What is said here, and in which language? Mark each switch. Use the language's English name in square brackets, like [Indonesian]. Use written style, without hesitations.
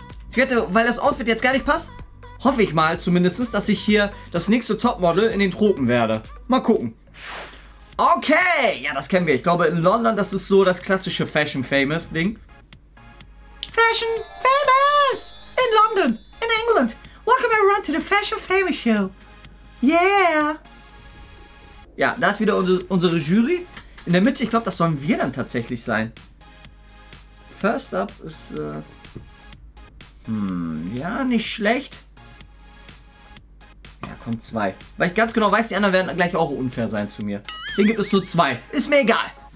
[German] Ich wette, weil das Outfit jetzt gar nicht passt, hoffe ich mal zumindest, dass ich hier das nächste Topmodel in den Tropen werde. Mal gucken. Okay, ja, das kennen wir. Ich glaube, in London, das ist so das klassische Fashion-Famous-Ding. Fashion-Famous! In London, in England. [English] Welcome everyone to the Fashion Famous Show. Yeah. [German] Ja, da ist wieder unsere Jury. In der Mitte, ich glaube, das sollen wir dann tatsächlich sein. [English] First up [German] ist... ja, nicht schlecht. Ja, kommt 2. Weil ich ganz genau weiß, die anderen werden gleich auch unfair sein zu mir. Hier gibt es nur 2. Ist mir egal.